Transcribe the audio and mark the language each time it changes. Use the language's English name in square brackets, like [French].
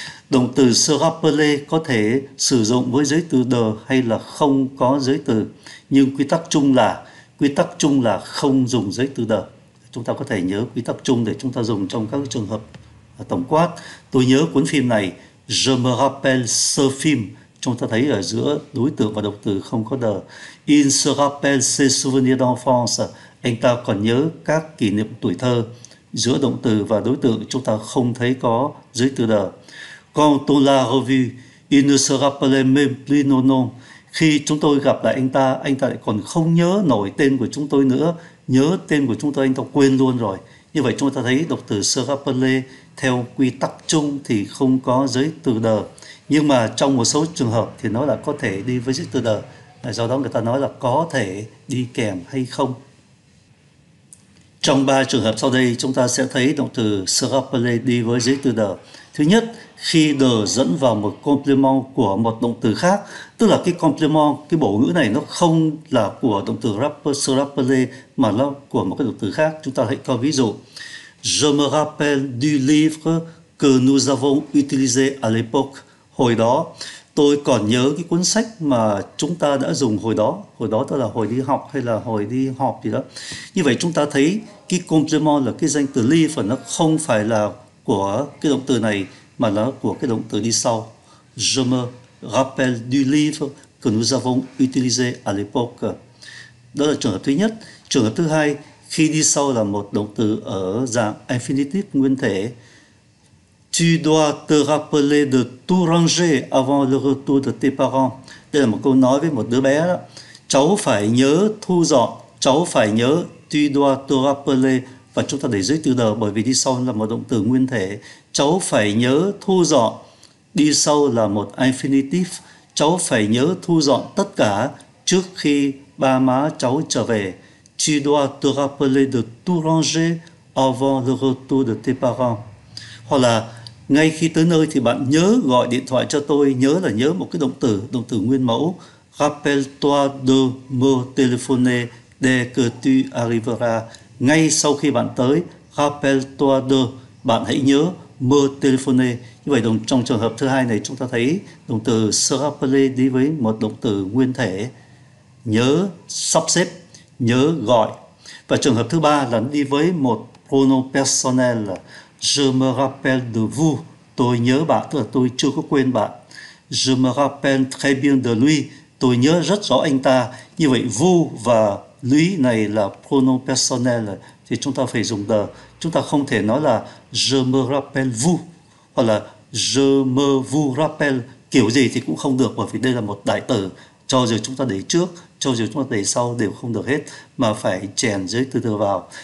[Vietnamese] Động từ se rappeler có thể sử dụng với giới từ de hay là không có giới từ, nhưng quy tắc chung là không dùng giới từ de. Chúng ta có thể nhớ quy tắc chung để chúng ta dùng trong các trường hợp tổng quát. Tôi nhớ cuốn phim này, je me rappelle ce film. Chúng ta thấy ở giữa đối tượng và động từ không có de. [French] Il se rappelle ses souvenirs d'enfance. [Vietnamese] Anh ta còn nhớ các kỷ niệm tuổi thơ. Giữa động từ và đối tượng chúng ta không thấy có giới từ de. [French] Quand on l'a revu, il ne se rappelait même plus nos noms. [Vietnamese] Khi chúng tôi gặp lại anh ta lại còn không nhớ nổi tên của chúng tôi nữa. Nhớ tên của chúng tôi anh ta quên luôn rồi. Như vậy chúng ta thấy động từ se rappeler theo quy tắc chung thì không có giới từ de. Nhưng mà trong một số trường hợp thì nó là có thể đi với giới từ de. Do đó người ta nói là có thể đi kèm hay không. Trong ba trường hợp sau đây, chúng ta sẽ thấy động từ se rappeler đi với giới từ de. Thứ nhất, khi de dẫn vào một complement của một động từ khác, tức là cái complement, cái bổ ngữ này nó không là của động từ se rappeler mà nó của một cái động từ khác. Chúng ta hãy coi ví dụ. [French] Je me rappelle du livre que nous avons utilisé à l'époque. [Vietnamese] Hồi đó, tôi còn nhớ cái cuốn sách mà chúng ta đã dùng hồi đó. Hồi đó tức là hồi đi học hay là hồi đi họp gì đó. Như vậy chúng ta thấy cái complement là cái danh từ livre, nó không phải là của cái động từ này mà là của cái động từ đi sau. [French] Je me rappelle du livre que nous avons utilisé à l'époque. [Vietnamese] Đó là trường hợp thứ nhất. Trường hợp thứ hai, khi đi sau là một động từ ở dạng infinitive nguyên thể. [French] Tu dois te rappeler de tout ranger avant le retour de tes parents. [Vietnamese] Đây là một câu nói với một đứa bé đó. Cháu phải nhớ thu dọn, cháu phải nhớ. Tu dois te rappeler, và chúng ta để giới từ de bởi vì đi sau là một động từ nguyên thể. Cháu phải nhớ thu dọn, đi sau là một infinitive. Cháu phải nhớ thu dọn tất cả trước khi ba má cháu trở về. [French] Tu dois te rappeler de tout ranger avant le retour de tes parents. [Vietnamese] Hoặc là ngay khi tới nơi thì bạn nhớ gọi điện thoại cho tôi. Nhớ là nhớ một cái động từ nguyên mẫu. [French] Rappelle-toi de me téléphoner dès que tu arriveras. [Vietnamese] Ngay sau khi bạn tới, rappelle-toi de, bạn hãy nhớ, me téléphoner. Như vậy trong trường hợp thứ hai này chúng ta thấy động từ se rappeler đi với một động từ nguyên thể. Nhớ, sắp xếp, nhớ, gọi. Và trường hợp thứ ba là đi với một pronom personnel. Je me rappelle de vous, tôi nhớ bạn, tức là tôi chưa có quên bạn. [French] Je me rappelle très bien de lui, tôi nhớ rất rõ anh ta. [Vietnamese] Như vậy, vous và lui này là pronom personnel, thì chúng ta phải dùng de. Chúng ta không thể nói là je me rappelle vous, hoặc là je me vous rappelle, kiểu gì thì cũng không được, bởi vì đây là một đại từ. Cho dù chúng ta để trước, cho dù chúng ta để sau đều không được hết, mà phải chèn giới từ vào.